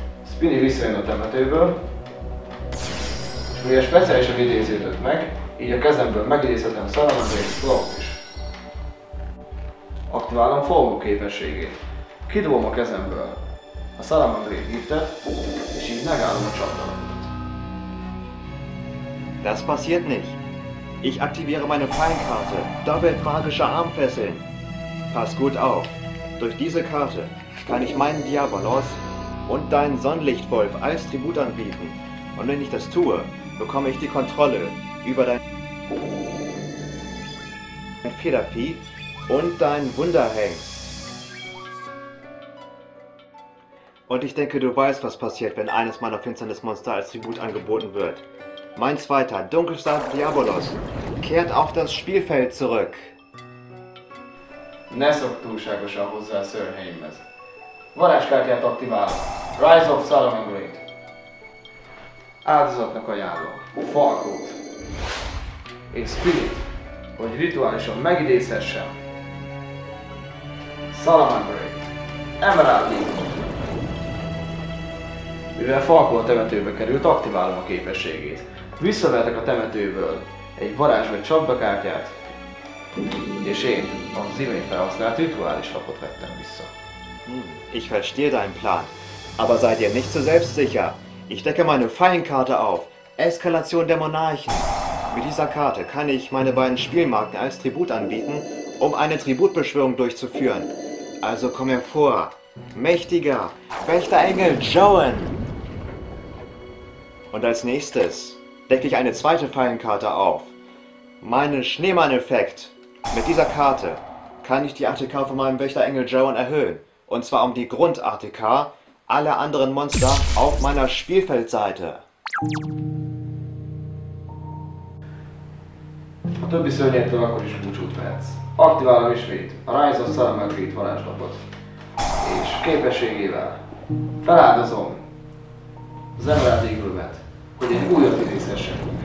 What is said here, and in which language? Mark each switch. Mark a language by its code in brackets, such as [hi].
[hu] Spinny visszajön a temetőből, és ugye speciálisan idéződött meg, így a kezemből megidézhetem Salamangreat Flow-t is. Aktiválom Fogó képességét. Kidobom a kezemből a Salamangreat giftet, és így megállom a csapdalatot. [de] Das passiert nicht. Ich aktiviere meine Feinkarte, doppelt magische Armfesseln. Pass gut auf, durch diese Karte kann ich meinen Diabolos und deinen Sonnenlichtwolf als Tribut anbieten. Und wenn ich das tue, bekomme ich die Kontrolle über dein Federvieh und deinen Wunderhengst. Und ich denke, du weißt, was passiert, wenn eines meiner Finsternismonster als Tribut angeboten wird. Mein zweiter, Dunkelstar Diabolos, kehrt auf das Spielfeld zurück. [hu] Ne szok túlságosan hozzá, Sir Haymes. Varázskártyát aktiválom. Rise of Solomon Great. Áldozatnak ajánlom. Falkót. És Spirit, hogy rituálisan megidézhessem. Solomon Great. Emerald Leaf. Mivel Falkó a temetőbe került, aktiválom a képességét. Visszavehetek a temetőből egy varázs vagy csapdakártyát, és én az imént felhasznált rituális lapot vettem vissza. [de] Ich verstehe deinen Plan, aber sei dir nicht so selbstsicher. Ich decke meine Feinkarte auf, Eskalation der Monarchen. Mit dieser Karte kann ich meine beiden Spielmarken als Tribut anbieten, um eine Tributbeschwörung durchzuführen. Also komm hervor, mächtiger, rechter Engel, Joan! Und als nächstes decke ich eine zweite Feinkarte auf, meinen Schneemann-Effekt. Mit dieser Karte kann ich die ATK von meinem Wächter Engel Joan erhöhen. Und zwar um die Grund-ATK aller anderen Monster auf meiner Spielfeldseite. [hu] A többi szörnyétől akkor is búcsút vehetsz. Aktiválom ismét a Rise of Solomon Great varázslapot. És képességével feláldozom az Emerald Eagle-met, hogy egy újat idézhessen.